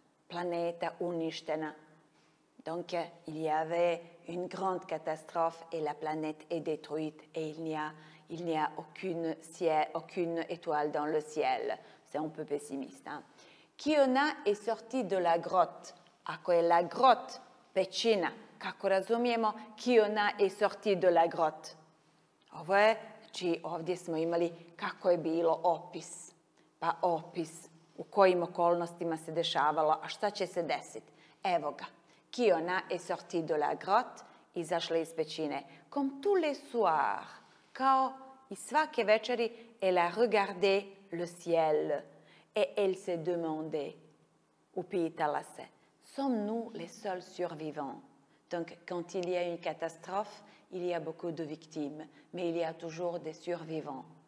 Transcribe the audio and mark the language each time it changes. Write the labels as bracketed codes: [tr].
[fr] Planète [bs] uništena. [fr] Donc, il y avait une grande catastrophe et la planète est détruite et il n'y a aucune, aucune étoile dans le ciel. C'est un peu pessimiste. Hein? Kiona est sorti de la grotte. A quella grotte, [bs] pecina. Kako razumijemo, [fr] Kiona est sorti de la grotte. [bs] Ovo je, znači, ovdje smo imali kako je bilo opis. Pa opis u kojim okolnostima se dešavalo, a šta će se desiti. Evo ga. [fr] Kiona est sorti de la grotte, [bs] izašla iz pećine. [fr] Comme tous les soirs, [bs] kao i svake večeri, [fr] elle a regardé le ciel. Et elle s'est demandé, [bs] upitala se, [fr] sommes-nous les seuls survivants? Donc, quand il y a une catastrophe, il y a beaucoup de victimes, mais il y a toujours des survivants.